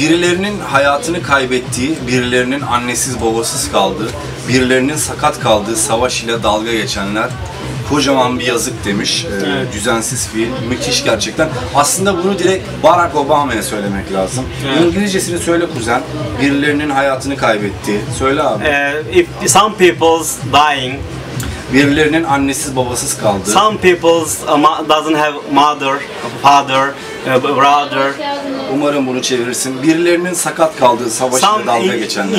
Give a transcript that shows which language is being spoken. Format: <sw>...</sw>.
<tr>Birilerinin hayatını kaybettiği, birilerinin annesiz babasız kaldığı, birilerinin sakat kaldığı savaş ile dalga geçenler kocaman bir yazık demiş. Evet. Düzensiz fiil. Müthiş gerçekten. Aslında bunu direkt Barack Obama'ya söylemek lazım. Evet. İngilizcesini söyle kuzen. Birilerinin hayatını kaybettiği. Söyle abi.</tr> <en>If some people's dying.</en> <tr>Birilerinin annesiz babasız kaldı.</tr> <en>Some people doesn't have mother, father, brother.</en> <tr>Umarım bunu çevirirsin. Birilerinin sakat kaldığı savaşta dalga geçenler.</tr>